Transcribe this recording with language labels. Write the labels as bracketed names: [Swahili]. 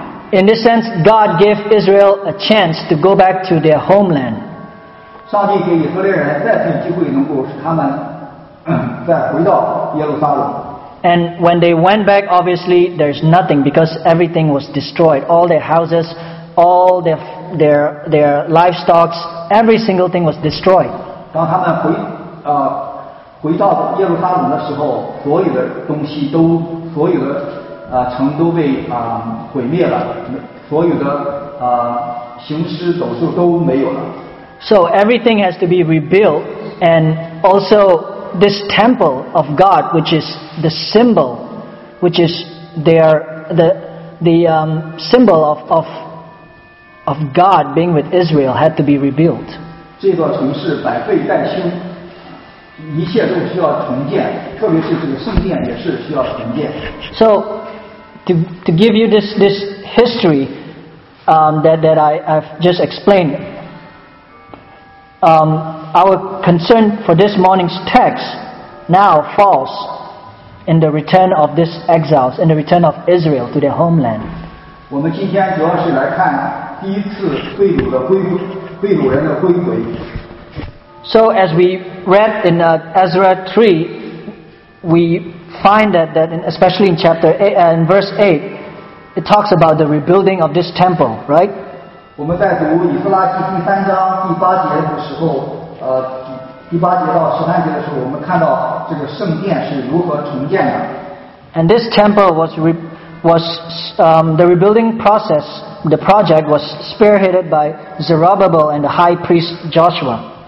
[English] In this sense, God gave Israel a chance to go back to their homeland. [Chinese] 上帝给以色列人再次机会，能够使他们再回到耶路撒冷。 [English] And when they went back, obviously there's nothing because everything was destroyed. All their houses, all their livestock, every single thing was destroyed. [Chinese] 当他们回到耶路撒冷的时候，所有的东西都所有的。城都被毁灭了，所有的行尸走兽都没有了。 [English] So everything has to be rebuilt, and also this temple of God, which is the symbol, which is their the symbol of God being with Israel, had to be rebuilt. [Chinese] 这座城市百废待兴，一切都需要重建，特别是这个圣殿也是需要重建。 [English] So To give you this history that I've just explained, our concern for this morning's text now falls in the return of this exiles, in the return of Israel to their homeland. [Chinese] 我们今天主要是来看第一次被掳的归被掳人的归回。 [English] So as we read in Ezra 3, we find that in, especially in chapter 8, in verse 8, it talks about the rebuilding of this temple, right? [Chinese] 我们在读以弗拉记第三章第八节的时候，第八节到十三节的时候，我们看到这个圣殿是如何重建的。 [English] And this temple the rebuilding process, the project was spearheaded by Zerubbabel and the high priest Joshua.